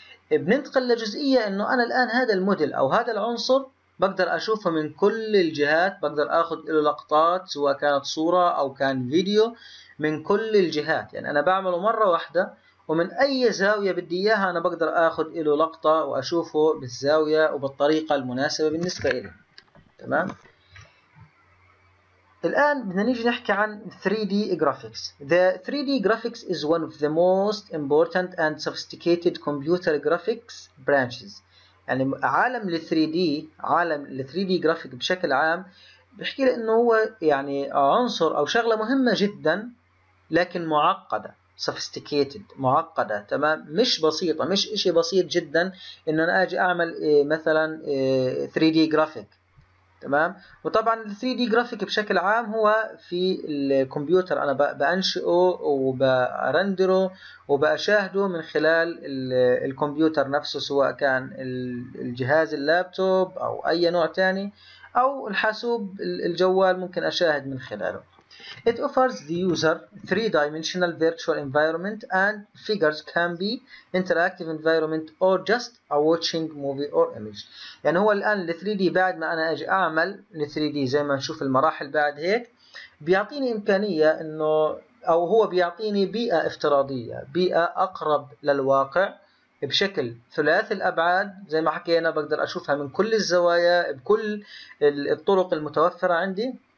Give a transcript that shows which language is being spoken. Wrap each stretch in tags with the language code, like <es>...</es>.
<ar>بننتقل لجزئية انه انا الان هذا الموديل او هذا العنصر بقدر اشوفه من كل الجهات، بقدر اخذ له لقطات سواء كانت صورة او كان فيديو من كل الجهات، يعني انا بعمله مرة واحدة ومن أي زاوية بدي إياها أنا بقدر أخذ إله لقطة وأشوفه بالزاوية وبالطريقة المناسبة بالنسبة إلي، تمام. الآن بدنا نيجي نحكي عن 3D Graphics.</ar> <en>The 3D Graphics is one of the most important and sophisticated computer graphics branches.</en> <ar>يعني عالم الـ 3D، عالم الـ 3D Graphic بشكل عام بحكي لأنه هو يعني عنصر أو شغلة مهمة جدا لكن معقدة، sophisticated، معقدة، تمام، مش بسيطة، مش اشي بسيط جدا انه انا اجي اعمل مثلا 3D graphic، تمام. وطبعا 3D graphic بشكل عام هو في الكمبيوتر انا بانشئه وبرندره وباشاهده من خلال الكمبيوتر نفسه، سواء كان الجهاز اللابتوب او اي نوع تاني او الحاسوب الجوال ممكن اشاهد من خلاله.</ar> <en>It offers the user three-dimensional virtual environment and figures can be interactive environment or just a watching movie or image.</en> <ar>يعني هو الآن الـ 3D بعد ما أنا أجي أعمل الـ 3D زي ما نشوف المراحل بعد هيك، بيعطيني إمكانية إنه أو هو بيعطيني بيئة افتراضية، بيئة أقرب للواقع بشكل ثلاثي الأبعاد زي ما حكينا، بقدر أشوفها من كل الزوايا بكل الطرق المتوفرة عندي.</ar>